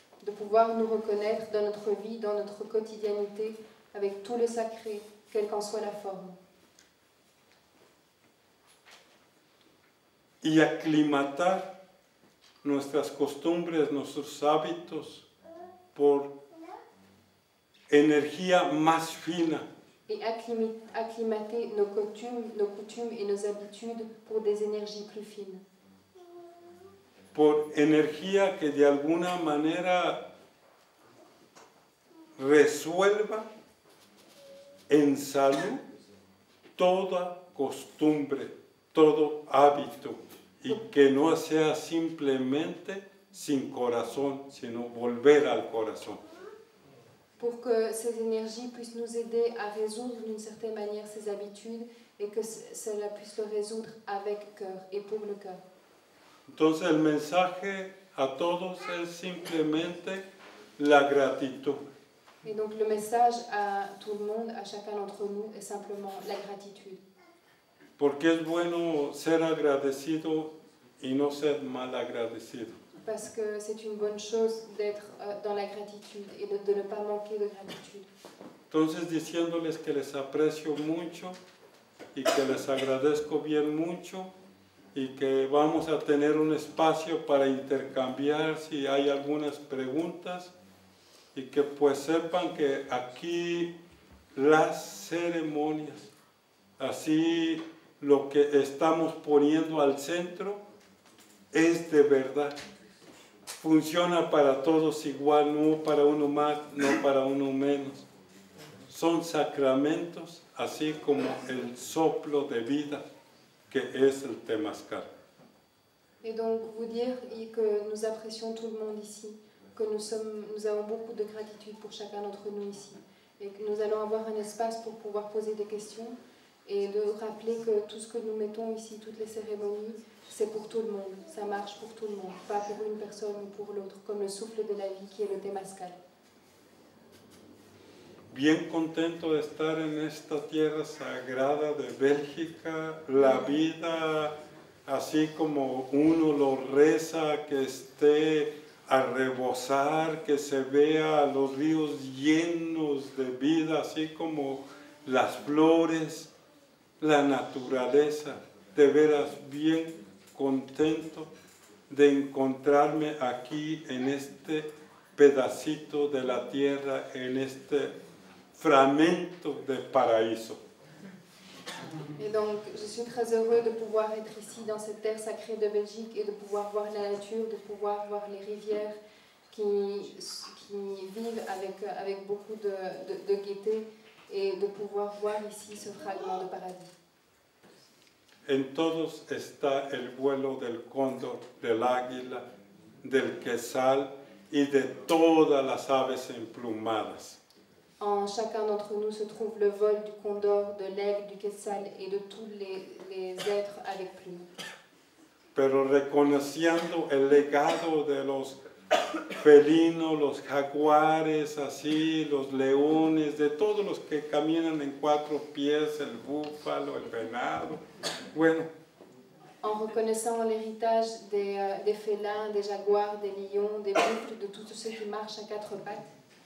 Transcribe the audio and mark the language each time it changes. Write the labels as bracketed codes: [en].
[fr] De pouvoir nous reconnaître dans notre vie, dans notre quotidianité, avec tout le sacré, quelle qu'en soit la forme. [es] Y aclimatar nuestras costumbres, nuestros hábitos por energía más fina. [fr] Et acclimater nos coutumes et nos habitudes pour des énergies plus fines. [es] Por energía que de alguna manera resuelva en salud toda costumbre, todo hábito, y que no sea simplemente sin corazón, sino volver al corazón. [fr] Pour que ces énergies puissent nous aider à résoudre d'une certaine manière ces habitudes et que cela puisse le résoudre avec cœur et pour le cœur. [es] Entonces el mensaje a todos es simplemente la gratitud. [fr] Et donc le message à tout le monde, à chacun d'entre nous, est simplement la gratitude. [es] Porque es bueno ser agradecido y no ser mal agradecido. [fr] Parce que c'est une bonne chose d'être dans la gratitude et de ne pas manquer de gratitude. [es] Entonces diciéndoles que les aprecio mucho y que les agradezco bien mucho. Y que vamos a tener un espacio para intercambiar si hay algunas preguntas y que pues sepan que aquí las ceremonias, así lo que estamos poniendo al centro es de verdad, funciona para todos igual, no para uno más, no para uno menos, son sacramentos así como el soplo de vida. Que es el temazcal. [fr] Et donc vous dire que nous apprécions tout le monde ici, que nous avons beaucoup de gratitude pour chacun d'entre nous ici, et que nous allons avoir un espace pour pouvoir poser des questions et de rappeler que tout ce que nous mettons ici, toutes les cérémonies, c'est pour tout le monde, ça marche pour tout le monde, pas pour une personne ou pour l'autre, comme le souffle de la vie qui est le temazcal. [es] Bien contento de estar en esta tierra sagrada de Bélgica, la vida así como uno lo reza, que esté a rebosar, que se vea los ríos llenos de vida, así como las flores, la naturaleza, de veras bien contento de encontrarme aquí en este pedacito de la tierra, en este fragmento de paraíso. [fr] Et donc, je suis très heureux de pouvoir être ici dans cette terre sacrée de Belgique et de pouvoir voir la nature, de pouvoir voir les rivières qui vivent avec beaucoup de gaieté et de pouvoir voir ici ce fragment de paradis. [es] En todos está el vuelo del cóndor, del águila, del quetzal y de todas las aves emplumadas. [fr] En chacun d'entre nous se trouve le vol du condor, de l'aigle, du quetzal et de tous les êtres avec plumes. [es] Pero reconociendo el legado de los felinos, los jaguares, así, los leones, de todos los que caminan en cuatro pies, el búfalo, el venado, bueno. [fr] En reconnaissant l'héritage des félins, des jaguars, des lions, des buffles, de tous ceux qui marchent à quatre pattes.